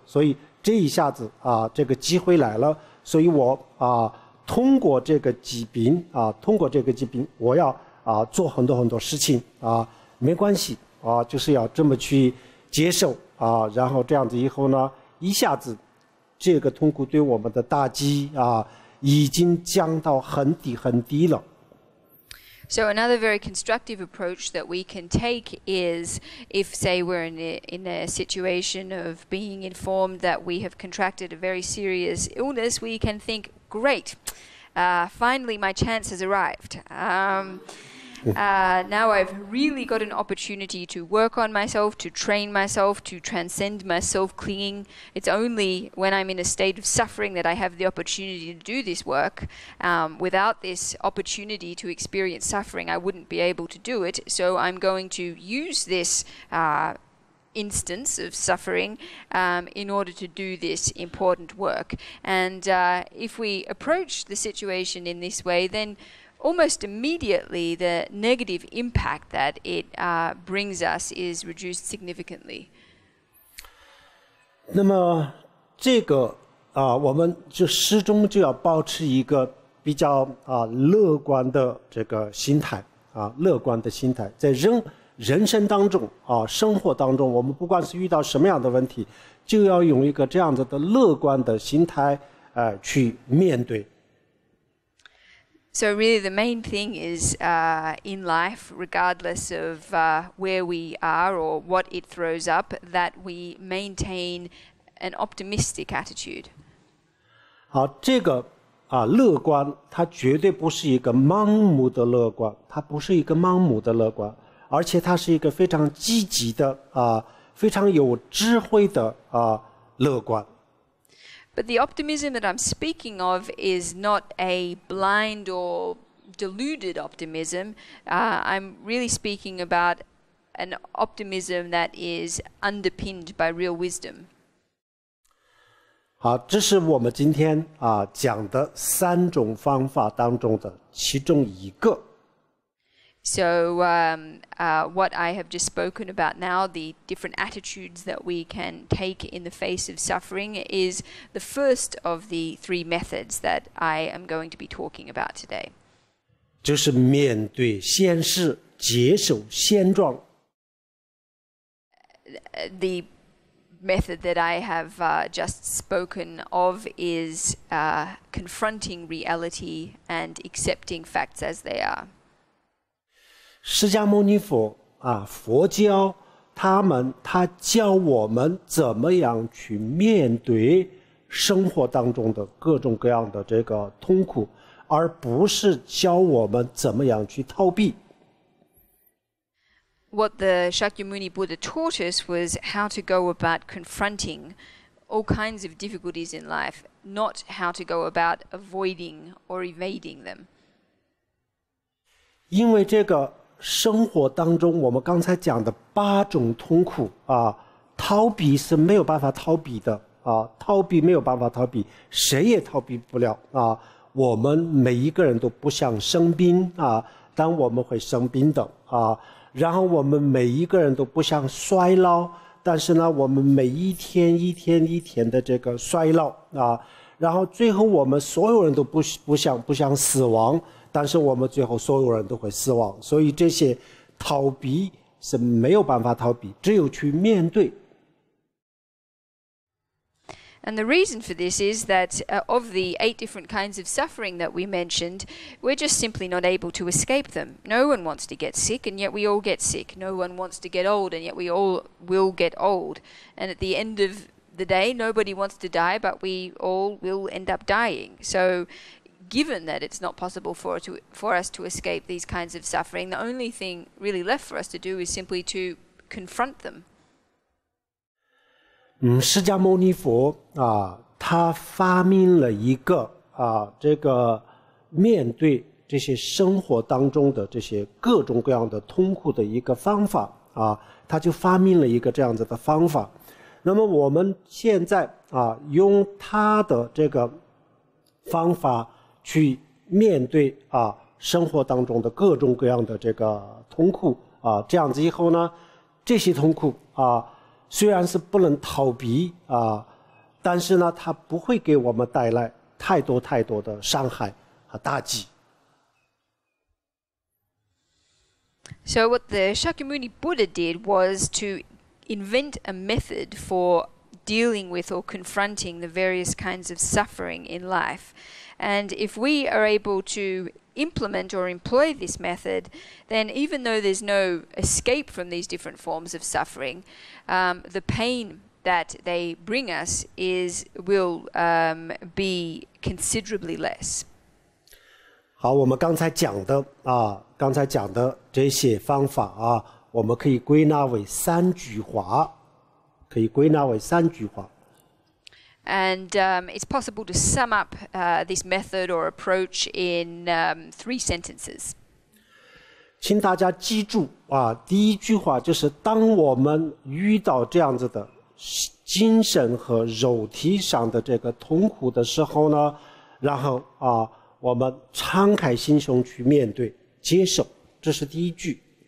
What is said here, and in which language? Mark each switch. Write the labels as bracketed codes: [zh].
[zh] 所以这一下子啊，这个机会来了。所以我啊，通过这个疾病啊，通过这个疾病，我要啊做很多很多事情啊，没关系啊，就是要这么去接受啊，然后这样子以后呢，一下子这个痛苦对我们的打击啊，已经降到很低很低了。 [en] So another very constructive approach that we can take is if, say, we're in a situation of being informed that we have contracted a very serious illness, we can think, great, finally my chance has arrived. Now I've really got an opportunity to work on myself, to train myself, to transcend my self-clinging. It's only when I'm in a state of suffering that I have the opportunity to do this work. Without this opportunity to experience suffering, I wouldn't be able to do it. So I'm going to use this instance of suffering in order to do this important work. And if we approach the situation in this way, then almost immediately the negative impact that it brings us is reduced significantly. [zh] 那么这个啊，我们就始终就要保持一个比较啊乐观的这个心态啊，乐观的心态，在人生当中啊，生活当中，我们不管是遇到什么样的问题，就要用一个这样子的乐观的心态去面对。 [en] So really the main thing is in life, regardless of where we are or what it throws up, that we maintain an optimistic attitude. [zh] 好，这个啊，乐观，它绝对不是一个盲目的乐观，它不是一个盲目的乐观，而且它是一个非常积极的啊，非常有智慧的啊乐观。 [en] But the optimism that I'm speaking of is not a blind or deluded optimism. I'm really speaking about an optimism that is underpinned by real wisdom. [zh] 好，这是我们今天啊讲的三种方法当中的其中一个。 [en] So, what I have just spoken about now, the different attitudes that we can take in the face of suffering, is the first of the three methods that I am going to be talking about today. [zh] 就是面对现实，接受现状。 [en] The method that I have just spoken of is confronting reality and accepting facts as they are. [zh] 释迦牟尼佛啊，佛教他教我们怎么样去面对生活当中的各种各样的这个痛苦，而不是教我们怎么样去逃避。 [en] What the Shakyamuni Buddha taught us was how to go about confronting all kinds of difficulties in life, not how to go about avoiding or evading them. [zh] 因为这个生活当中我们刚才讲的八种痛苦啊，逃避是没有办法逃避的啊，逃避没有办法逃避，谁也逃避不了啊，我们每一个人都不想生病啊，但我们会生病的啊，然后我们每一个人都不想衰老，但是呢我们每一天一天一天的这个衰老啊，然后最后我们所有人都不想死亡，但是我们最后所有人都会死亡，所以这些逃避是没有办法逃避，只有去面对。 [en] And the reason for this is that of the 8 different kinds of suffering that we mentioned, we're just simply not able to escape them. No one wants to get sick, and yet we all get sick. No one wants to get old, and yet we all will get old. And at the end of the day, nobody wants to die, but we all will end up dying. So given that it's not possible for us to escape these kinds of suffering, the only thing really left for us to do is simply to confront them. [zh] 释迦牟尼佛啊，他发明了一个啊，这个面对这些生活当中的这些各种各样的痛苦的一个方法啊，他就发明了一个这样子的方法。那么我们现在啊，用他的这个方法去面对啊，生活当中的各种各样的这个痛苦啊，这样子以后呢，这些痛苦啊。虽然是不能逃避啊，但是呢，它不会给我们带来太多太多的伤害和打击。 [en] So what the Shakyamuni Buddha did was to invent a method for dealing with or confronting the various kinds of suffering in life. And if we are able to implement or employ this method, then even though there's no escape from these different forms of suffering, the pain that they bring us will be considerably less. [zh] 好，我们刚才讲的啊，刚才讲的这些方法啊，我们可以归纳为三句话，可以归纳为三句话。 [en] And it's possible to sum up this method or approach in 3 sentences. [zh] 请大家记住啊，第一句话就是当我们遇到这样子的精神和肉体上的这个痛苦的时候呢，然后啊，我们敞开心胸去面对、接受，这是第一句。